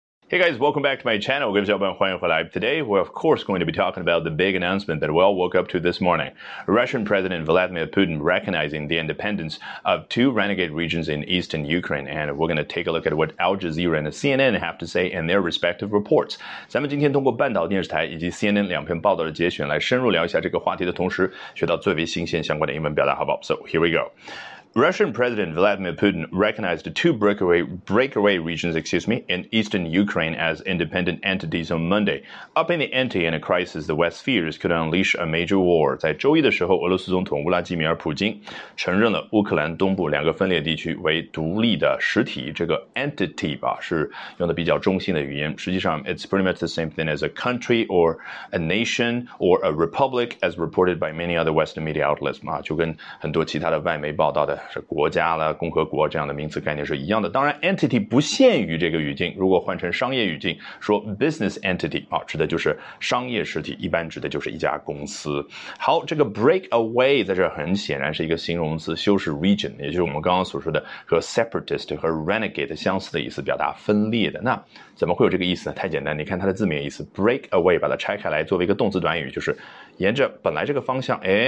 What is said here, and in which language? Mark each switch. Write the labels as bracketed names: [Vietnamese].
[English] Hey guys, welcome back to my channel. Today, we're of course going to be talking about the big announcement that we all woke up to this morning. Russian President Vladimir Putin recognizing the independence of two renegade regions in eastern Ukraine. And we're going to take a look at what Al Jazeera and CNN have to say in their respective reports. [Chinese] 咱们今天通过半岛电视台以及 CNN 两篇报道的节选来深入聊一下这个话题的同时学到最为新鲜相关的英文表达，好不好？ [English] So here we go. Russian President Vladimir Putin recognized two breakaway regions, in eastern Ukraine as independent entities on Monday. Up in the ante in a crisis, the West fears could unleash a major war. [Chinese] 在周一的时候，俄罗斯总统乌拉基米尔·普京承认了乌克兰东部两个分裂地区为独立的实体。这个 entity 吧，是用的比较中性的语言。实际上 [English] ，it's pretty much the same thing as a country or a nation or a republic, as reported by many other Western media outlets. [Chinese] 啊，就跟很多其他的外媒报道的。是国家了共和国这样的名词概念是一样的当然 entity 不限于这个语境如果换成商业语境说 business entity、啊、指的就是商业实体一般指的就是一家公司好这个 breakaway 在这很显然是一个形容词修饰 region 也就是我们刚刚所说的和 separatist 和 renegade 相似的意思表达分裂的那怎么会有这个意思呢太简单你看它的字面意思 breakaway 把它拆开来作为一个动词短语就是沿着本来这个方向